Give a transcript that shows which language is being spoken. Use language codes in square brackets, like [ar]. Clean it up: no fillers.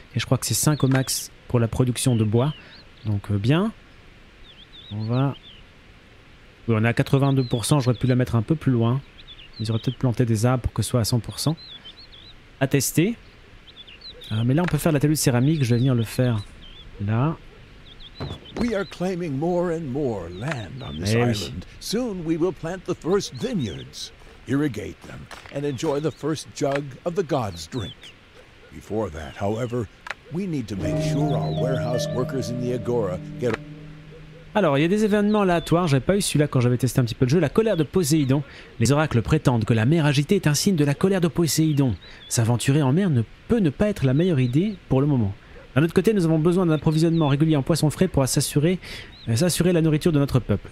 [fr] Et je crois que c'est 5 au max pour la production de bois. Donc bien. On va... Oui, on est à 82%, j'aurais pu la mettre un peu plus loin. Ils auraient peut-être planté des arbres pour que ce soit à 100%. À tester. Mais là, on peut faire l'atelier de céramique. Je vais venir le faire là. [en] We are claiming more and more land on this island. Soon we will plant the first vineyards. Irrigate them and enjoy the first jug of the god's drink. Before that, however, we need to make sure our warehouse workers in the agora get. [fr] Alors, il y a des événements aléatoires. J'avais pas eu celui-là quand j'avais testé un petit peu le jeu. La colère de Poséidon. Les oracles prétendent que la mer agitée est un signe de la colère de Poséidon. S'aventurer en mer ne peut ne pas être la meilleure idée pour le moment. D'un autre côté, nous avons besoin d'un approvisionnement régulier en poissons frais pour s'assurer la nourriture de notre peuple.